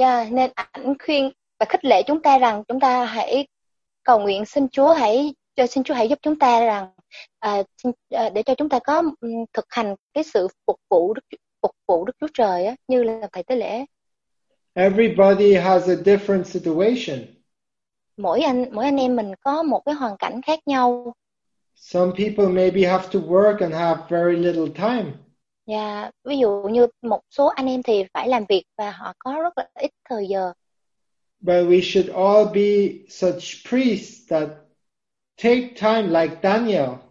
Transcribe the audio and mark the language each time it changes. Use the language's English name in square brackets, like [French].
[Vietnamese] Nên ảnh khuyên và khích lệ chúng ta rằng chúng ta hãy cầu nguyện xin Chúa hãy giúp chúng ta rằng để cho chúng ta có thực hành cái sự phục vụ Đức Chúa Trời á, như là thầy tế lễ. [English] Everybody has a different situation. [Vietnamese] Mỗi anh em mình có một cái hoàn cảnh khác nhau. [English] Some people maybe have to work and have very little time. [Vietnamese] Yeah, ví dụ như một số anh em thì phải làm việc và họ có rất là ít thời giờ. [English] But we should all be such priests that take time like Daniel.